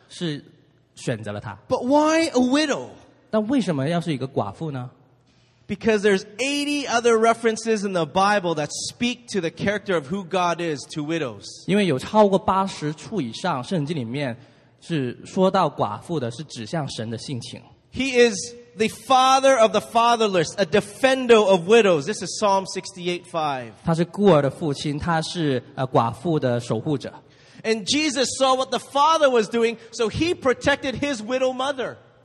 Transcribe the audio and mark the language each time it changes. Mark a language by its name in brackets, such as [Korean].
[Chinese] 所以神并不是让她做难,是选择了她。 [English] But why a widow? [Chinese] 但为什么要是一个寡妇呢? [English] Because there's 80 other references in the Bible that speak to the character of who God is to widows. [Chinese] 因为有超过80处以上圣经里面是说到寡妇的,是指向神的性情。 [English] He is the father of the fatherless, a defender of widows. This is Psalm 68:5. [Chinese] 他是孤儿的父亲,他是寡妇的守护者。 [English] And Jesus saw what the father was doing, so he protected his widow mother.